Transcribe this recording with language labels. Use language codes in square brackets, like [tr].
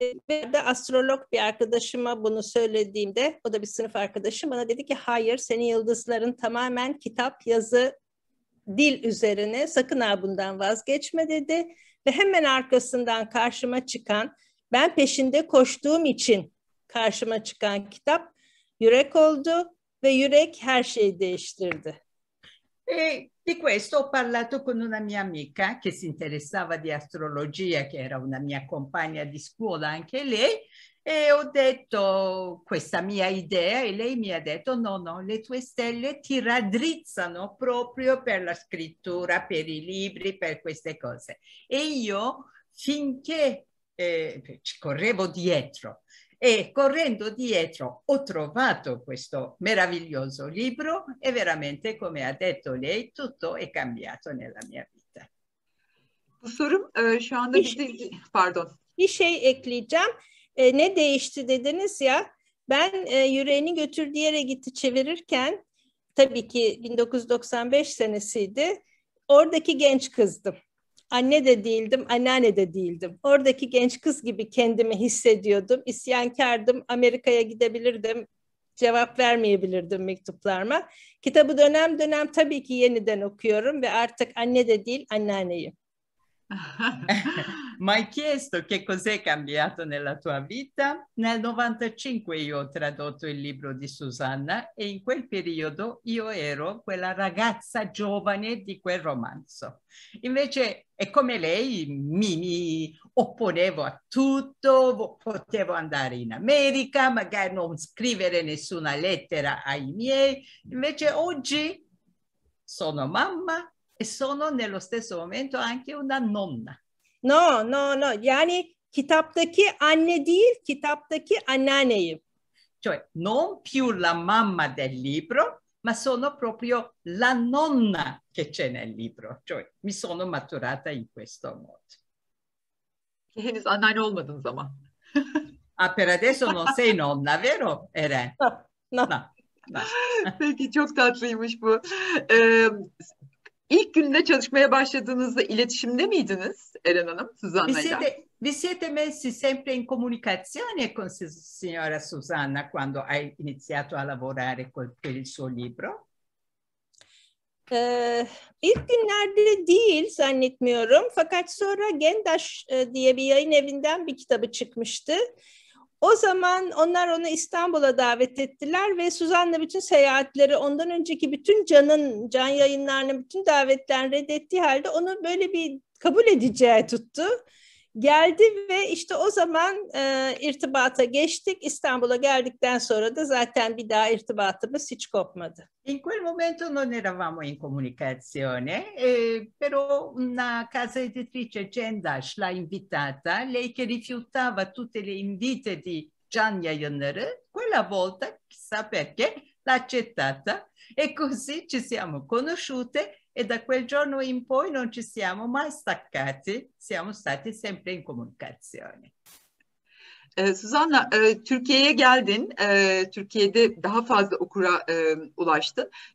[tr] Ve astrolog bir arkadaşıma bunu söylediğimde, o da bir sınıf arkadaşım, bana dedi ki hayır, senin yıldızların tamamen kitap, yazı, dil üzerine, sakın ha bundan vazgeçme dedi. Ve hemen arkasından karşıma çıkan, ben peşinde koştuğum için karşıma çıkan kitap Yürek oldu ve Yürek her şeyi değiştirdi. [it] Di questo ho parlato con una mia amica che si interessava di astrologia, che era una mia compagna di scuola anche lei, e ho detto questa mia idea e lei mi ha detto no, le tue stelle ti raddrizzano proprio per la scrittura, per i libri, per queste cose. E io finché ci correvo dietro e correndo dietro ho trovato questo meraviglioso libro e veramente, come ha detto lei, tutto è cambiato nella mia vita. [tr] Bu sorum şu anda pardon. Bir şey ekleyeceğim. Ne değişti dediniz ya, ben Yüreğini Götürdüğü Yere Gitti çevirirken, tabii ki 1995 senesiydi, oradaki genç kızdım. Anne de değildim, anneanne de değildim. Oradaki genç kız gibi kendimi hissediyordum. İsyankardım, Amerika'ya gidebilirdim. cevap vermeyebilirdim mektuplarıma. Kitabı dönem dönem tabii ki yeniden okuyorum ve artık anne de değil anneanneyim. [it] M'hai chiesto che cos'è cambiato nella tua vita? Nel 95 io ho tradotto il libro di Susanna e in quel periodo io ero quella ragazza giovane di quel romanzo. Invece è come lei, mi opponevo a tutto, potevo andare in America, magari non scrivere nessuna lettera ai miei. Invece oggi sono mamma e sono nello stesso momento anche una nonna. No, no, no. [tr] Yani kitaptaki anne değil, kitaptaki anneanneyim. [it] Cioè, non più la mamma del libro, ma sono proprio la nonna che c'è nel libro. Cioè, mi sono maturata in questo modo. [tr] Henüz anneanne olmadınız ama. [it] Ah, per adesso non sei nonna, vero? Era. No, no. [tr] Peki, çok tatlıymış bu. İlk günde çalışmaya başladığınızda iletişimde miydiniz Eren Hanım, Susanna'yla? Vi siete messi sempre in comunicazione con signora Susanna quando hai iniziato a lavorare per il suo libro? İlk günlerde değil zannetmiyorum. Fakat sonra Gendaş diye bir yayın evinden bir kitabı çıkmıştı. O zaman onlar onu İstanbul'a davet ettiler ve Suzan'la bütün seyahatleri, ondan önceki bütün can yayınlarının bütün davetlerini reddettiği halde onu böyle bir kabul edeceği tuttu. Geldi ve işte o zaman irtibata geçtik. İstanbul'a geldikten sonra da zaten bir daha irtibatımız hiç kopmadı. [it] In quel momento non eravamo in comunicazione, però una casa editrice Gendaş l'ha invitata, lei che rifiutava tutte le invite di Gian Yayınları, quella volta, chissà perché, l'ha accettata e così ci siamo conosciute. E da quel giorno in poi non ci siamo mai staccati, siamo stati sempre in comunicazione. [tr] Susanna, Türkiye'ye geldin, Türkiye'de daha fazla okura ulaştın.